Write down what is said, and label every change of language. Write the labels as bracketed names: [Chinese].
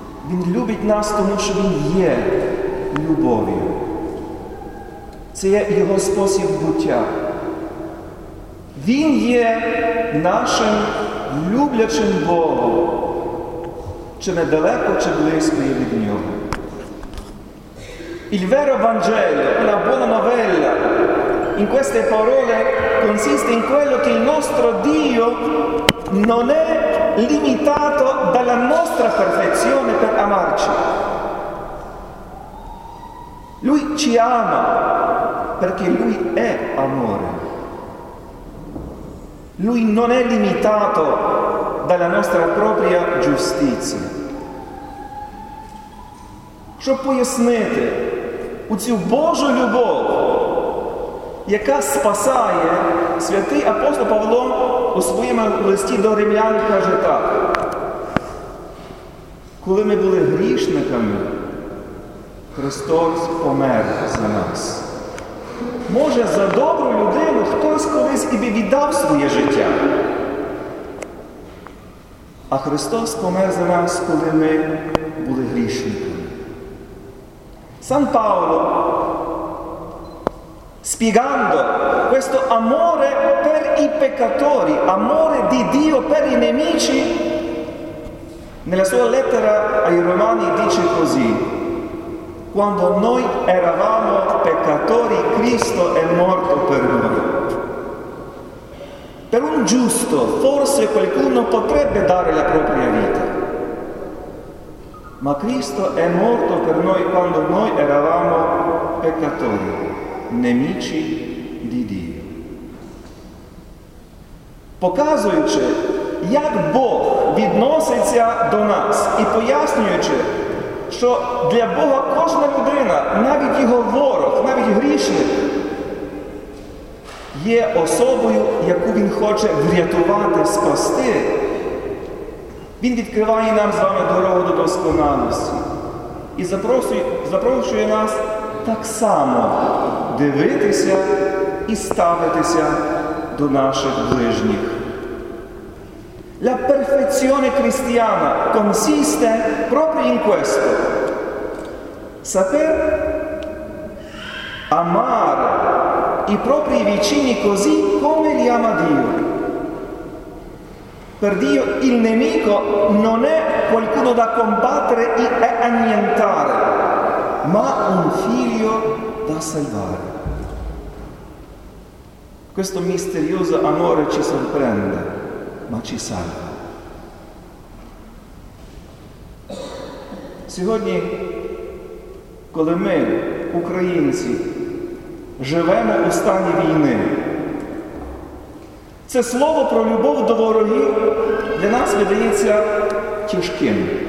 [Ukrainian] Він любить нас тому, що Він є любов'ю. Це є Його спосіб буття. Він є нашим люблячим Богом, чи недалеко, чи близько є від Нього. [Italian] Il vero Vangelo, una buona novella, in queste parole consiste in quello che il nostro Dio non è limitato dalla nostra perfezione per amarci. Lui ci ama, perché Lui è amore. Lui non è limitato dalla nostra propria giustizia. [Ukrainian] Щоб пояснити, у цю Божу любов, яка спасає, святий апостол Павло у своєму листі до Римлян каже так. Коли ми були грішниками, Христос помер за нас. Може, за добру людину хтось колись і би віддав своє життя. А Христос помер за нас, коли ми були грішниками. [Italian] Сан Паоло, spiegando questo amore per i peccatori, amore di Dio per i nemici, nella sua lettera ai Romani dice così. Quando noi eravamo peccatori, Cristo è morto per noi. Per un giusto, forse qualcuno potrebbe dare la propria vita. Ma Cristo è morto per noi quando noi eravamo peccatori, nemici di Dio. [Ukrainian] Показуючи, як Бог відноситься до нас і пояснюючи, що для Бога кожна людина, навіть його ворог, навіть грішник, є особою, яку він хоче врятувати, спасти, він відкриває нам з вами дорогу до досконалості і запрошує нас так само дивитися і ставитися до наших ближніх. [Italian] La perfezione cristiana consiste proprio in questo. Saper amare i propri vicini così come li ama Dio. Per Dio il nemico non è qualcuno da combattere e annientare, ma un figlio da salvare. Questo misterioso amore ci sorprende, ma ci salva. [Ukrainian] Сьогодні, коли ми, українці, живемо у стані війни, це слово про любов до ворогів для нас видається тяжким.